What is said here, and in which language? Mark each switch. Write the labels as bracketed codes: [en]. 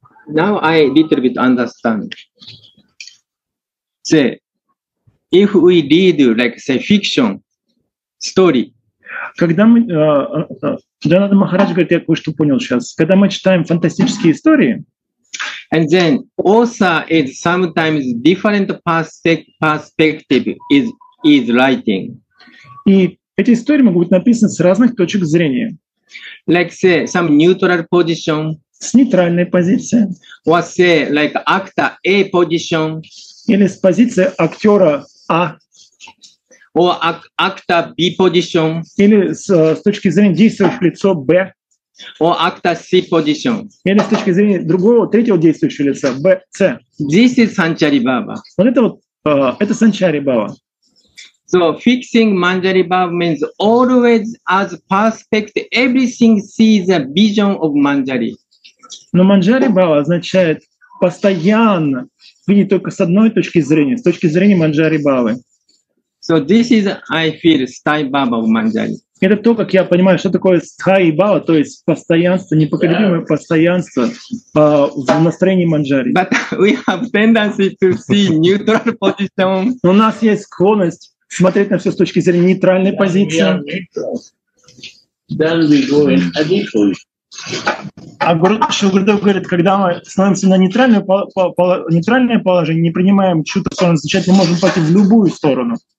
[en] Now I little bit understand. Say. If we read like say fiction story, [ru] когда мы Джанада Махарадж говорит, я кое-что понял сейчас, когда мы читаем фантастические истории, [en] and then also is sometimes different perspective is writing. [ru] И эти истории могут быть написаны с разных точек зрения. [en] Like say some neutral position. [ru] С нейтральной позиции. [en] Or say like actor A position. [ru] Или с позиции актера. А. [en] Or actor B position. [ru] Или с точки зрения действующего лица Б. [en] Or actor C position. [ru] Или с точки зрения другого, третьего действующего лица Б, С. [en] This is Sanchari Bhava. [ru] Вот это Sanchari Bhava. [en] So fixing Manjari Bhava means always as perspective, everything sees a vision of Manjari. [ru] Но Manjari Bhava означает постоянно видит только с одной точки зрения, с точки зрения Манджари Бхавы. [en] So this is I feel Sthayi Bhava of Manjari. [ru] Это то, как я понимаю, что такое Sthayi Bhava, то есть постоянство, непоколебимое постоянство в настроении Манджари. [en] But we have tendency to see neutral position. [ru] У нас есть склонность смотреть на все с точки зрения нейтральной позиции. [en] then we go in a different. [ru] А Шилгурдев говорит, когда мы становимся на нейтральное положение, не принимаем чью-то сторону, значит, мы можем пойти в любую сторону.